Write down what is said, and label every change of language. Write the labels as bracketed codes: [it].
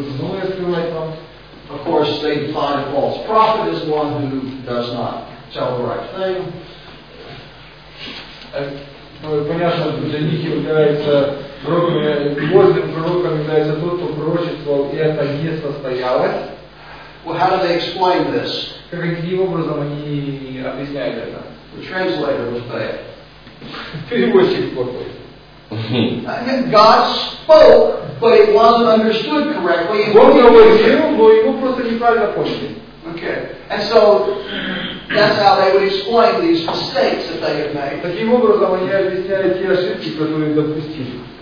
[en] Of course, they define a false prophet as one who does not tell the right thing. [ru] Понятно, для них является божьим пророком является тот, кто пророчествовал, и это не состоялось. [en] Well, how do they explain this? [ru] Каким образом они объясняют это? [en] The translator was bad. [ru] Переводчик плохой. [en] God spoke, but it wasn't understood correctly. [ru] Бог говорил, но его просто неправильно поняли. [en] Okay. And so that's how they would explain these mistakes that they have made. [ru] Таким образом они объясняют те ошибки, которые допустили.